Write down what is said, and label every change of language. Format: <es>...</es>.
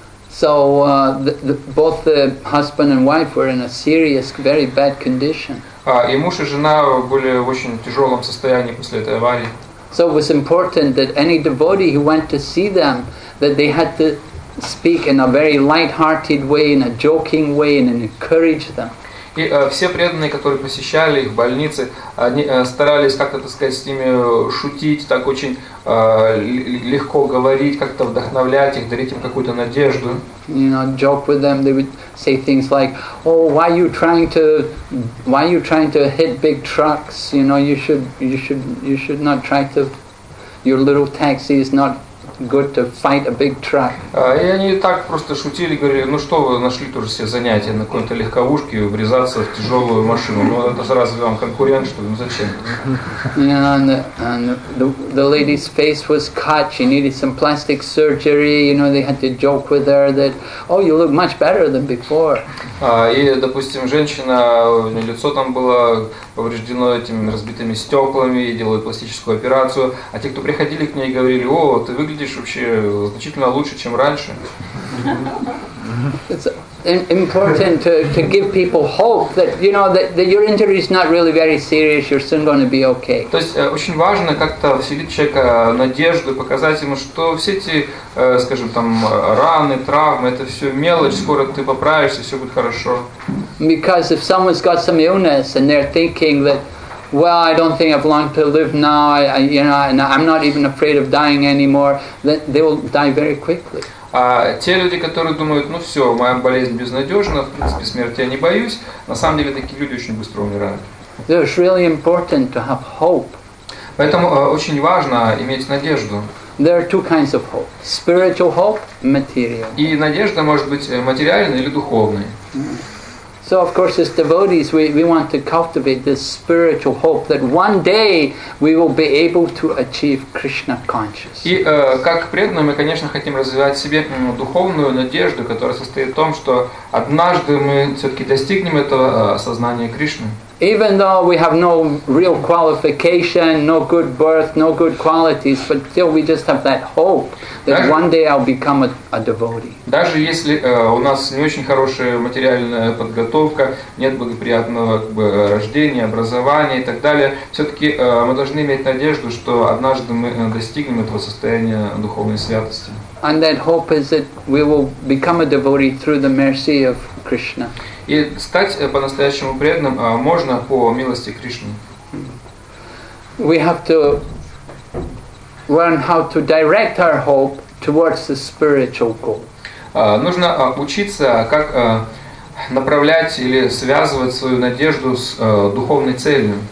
<en>So both the husband and wife were in a serious, very bad condition.</en> <ru>И муж и жена были в очень тяжелом состоянии после этой аварии.</ru> <en>So it was important that any devotee who went to see them, that they had to speak in a very light-hearted way, in a joking way, and encourage them.</en> <ru>И все преданные, которые посещали их в больнице, они старались как-то, так сказать, с ними шутить, так очень легко говорить, как-то вдохновлять их, дарить им какую-то надежду.</ru> <en>You know, joke with them. They would say things like, "Oh, why are you trying to hit big trucks? You know, you should not try to. Your little taxi is not." Good to fight a big truck.</en> <ru>И они так просто шутили, говорили, ну что вы нашли тоже себе занятие на какой-то легковушке врезаться в тяжелую машину. Ну это разве вам конкурент, что ли? Ну зачем?</ru> <en>The lady's face was cut. She needed some plastic surgery. You know, they had to joke with her that, oh, you look much better than before.</en> <ru>И, допустим, женщина, у нее лицо там было повреждено этими разбитыми стеклами, делают пластическую операцию. А те, кто приходили к ней, говорили, о, ты выглядишь вообще значительно лучше, чем раньше.</ru> <en>It's important to give people hope that, you know, that your injury is not really very serious, you're soon going to be okay.</en> <ru>То есть очень важно как-то вселить человека надежду, показать ему, что все эти, скажем, там, раны, травмы, это все мелочь, скоро ты поправишься, все будет хорошо.</ru> <en>Because if someone's got some illness and they're thinking that, well, I don't think I've long to live now, and I'm not even afraid of dying anymore, then they will die very quickly.</en> <ru>А те люди, которые думают, ну все, моя болезнь безнадежна, в принципе, смерти я не боюсь, на самом деле такие люди очень быстро умирают.</ru> <en>So it's really important to have hope.</en> <ru>Поэтому очень важно иметь надежду.</ru> <en>There are two kinds of hope: spiritual hope, material.</en> <ru>И надежда может быть материальной или духовной. Mm-hmm.</ru> <en>So of course as devotees we want to cultivate this spiritual hope that one day we will be able to achieve Krishna consciousness.</en> <ru>И как преданные мы, конечно, хотим развивать в себе духовную надежду, которая состоит в том, что однажды мы всё-таки достигнем этого сознания Кришны.</ru> <en>Even though we have no real qualification, no good birth, no good qualities, but still we just have that hope that</en> <ru>даже,</ru> <en>one day I'll become a devotee.</en> <ru>Даже если у нас не очень хорошая материальная подготовка, нет благоприятного как бы, рождения, образования и так далее, все-таки мы должны иметь надежду, что однажды мы достигнем этого состояния духовной святости.</ru> <en>And that hope is that we will become a devotee through the mercy of Krishna.</en> <ru>И стать по-настоящему преданным можно по милости Кришны.</ru> <en>We have to learn how to direct our hope towards the spiritual goal.</en> <ru>Нужно учиться, как направлять или связывать свою надежду с духовной целью.</ru>